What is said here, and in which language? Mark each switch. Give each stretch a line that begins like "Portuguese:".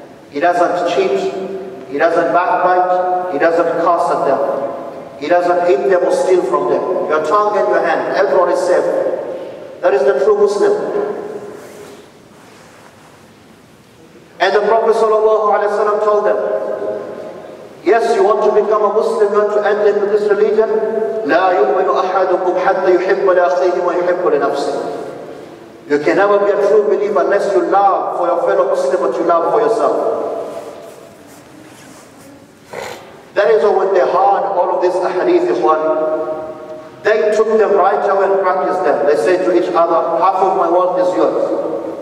English: He doesn't cheat, he doesn't backbite, he doesn't curse at them, he doesn't hit them or steal from them. Your tongue and your hand, everyone is safe. That is the true Muslim. And the Prophet sallallahu alaihi wasallam told them, Yes, you want to become a Muslim, you want to end it with this religion.
Arabic: لا يؤمن أحدكم حتى يحب لأخيه ما يحب لنفسه.
English: You can never be a true believer unless you love for your fellow Muslim what you love for yourself. That is when they heard all of these ahadith, ikhwan. They took them right away and practiced them. They said to each other, half of my wealth is yours.